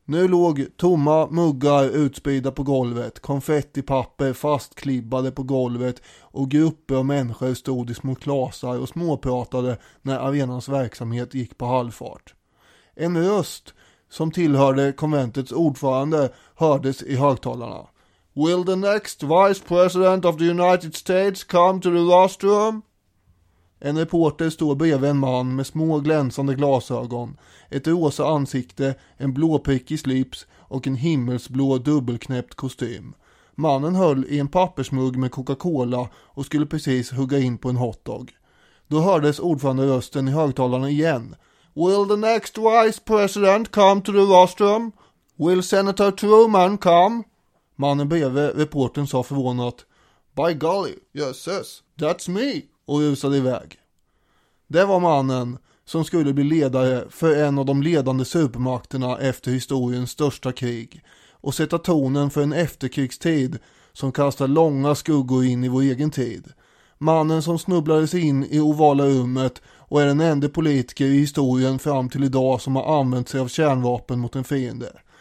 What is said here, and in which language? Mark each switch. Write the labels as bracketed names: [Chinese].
[Swedish] Nu låg tomma muggar utspridda på golvet, konfettipapper fastklibbade på golvet och grupper av människor stod i små klasar och småpratade när arenans verksamhet gick på halvfart. En röst som tillhörde konventets ordförande hördes i högtalarna. [English] Will the next vice president of the United States come to the rostrum? [Swedish] En reporter står bredvid en man med små glänsande glasögon, ett rosa ansikte, en blåprickig slips och en himmelsblå dubbelknäppt kostym. Mannen höll i en pappersmugg med Coca-Cola och skulle precis hugga in på en hotdog. Då hördes ordförande rösten i högtalarna igen. [English] Will the next vice president come to the rostrum? Will Senator Truman come? [Swedish] Mannen bredvid reporten sa förvånat. [English] By golly, yes, yes, that's me. [Swedish] Och rusade iväg. Det var mannen som skulle bli ledare för en av de ledande supermakterna efter historiens största krig och sätta tonen för en efterkrigstid som kastar långa skuggor in i vår egen tid. Mannen som snubblades in i ovala rummet och är den enda politiker i historien fram till idag som har använt sig av kärnvapen mot en fiende.